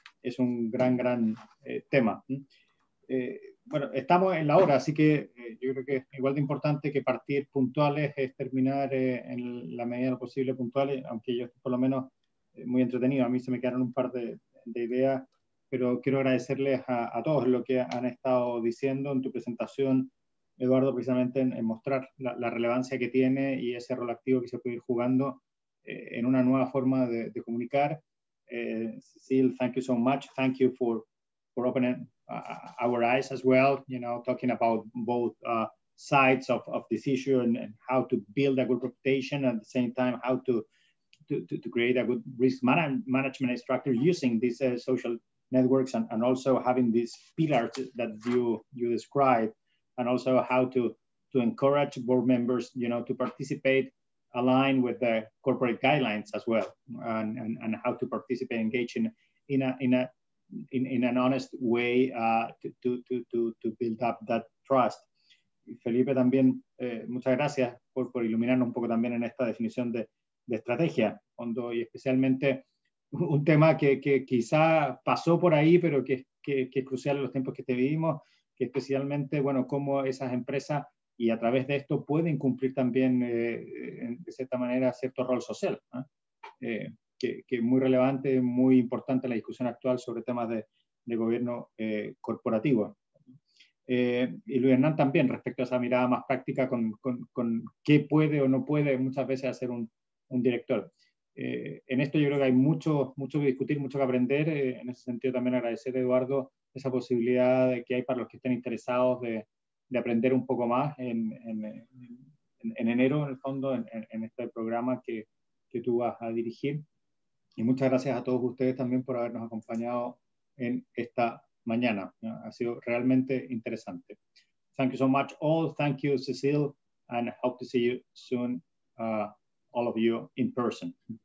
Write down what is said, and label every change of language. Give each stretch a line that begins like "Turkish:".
Spanish: es un gran, gran tema. Bueno, estamos en la hora, así que yo creo que igual de importante que partir puntuales es terminar en la medida de lo posible puntuales, aunque yo estoy por lo menos muy entretenido. A mí se me quedaron un par de ideas, pero quiero agradecerles a todos lo que han estado diciendo en tu presentación, Eduardo, precisamente en mostrar la relevancia que tiene y ese rol activo que se puede ir jugando en una nueva forma de comunicar.
English: Cecil, thank you so much. Thank you for opening our eyes as well, you know, talking about both sides of this issue and how to build a good reputation at the same time, how to create a good risk management structure using these social networks and also having these pillars that you described, and also how to encourage board members, you know, to participate, align with the corporate guidelines as well, and how to participate, engage in an honest way to build up that trust.
Spanish: Felipe, también muchas gracias por iluminarnos un poco también en esta definición de estrategia, cuando, y especialmente un tema que quizá pasó por ahí, pero que es crucial en los tiempos que te vivimos, que especialmente, bueno, cómo esas empresas y a través de esto pueden cumplir también, de cierta manera, cierto rol social, ¿eh? Que es muy relevante, muy importante en la discusión actual sobre temas de gobierno corporativo. Y Luis Hernán también, respecto a esa mirada más práctica con qué puede o no puede muchas veces hacer un director. En esto yo creo que hay mucho que discutir, mucho que aprender. En ese sentido también agradecer a Eduardo esa posibilidad de que hay para los que estén interesados de aprender un poco más en enero, en el fondo, en este programa que tú vas a dirigir. Y muchas gracias a todos ustedes también por habernos acompañado en esta mañana. Ha sido realmente interesante.
English: Thank you so much all. Thank you, Cecil. And hope to see you soon, all of you in person.